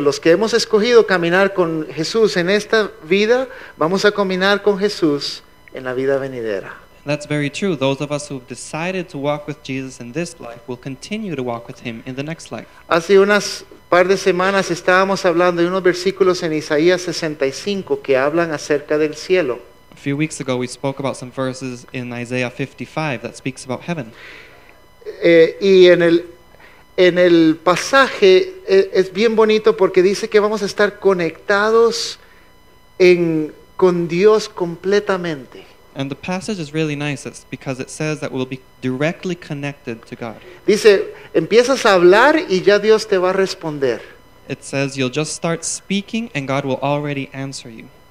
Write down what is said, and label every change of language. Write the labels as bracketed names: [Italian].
[Spanish] Los que hemos escogido caminar con Jesús en esta vida, vamos a caminar con Jesús en la vida venidera. [English] That's very true. Those of us who have decided to walk with Jesus in this life will continue to walk with him in the next life. [Spanish] Hace unas par de semanas estábamos hablando de unos versículos en Isaías 65 que hablan acerca del cielo. [English] A few weeks ago we spoke about some verses in Isaiah 55 that speaks about heaven. [Spanish] Y en el pasaje es bien bonito porque dice que vamos a estar conectados con Dios completamente. [English] And the passage is really nice because it says that we'll be directly connected to God. [Spanish] Dice, empiezas a hablar y ya Dios te va a responder. [English] It says you'll just start speaking and God will already answer you.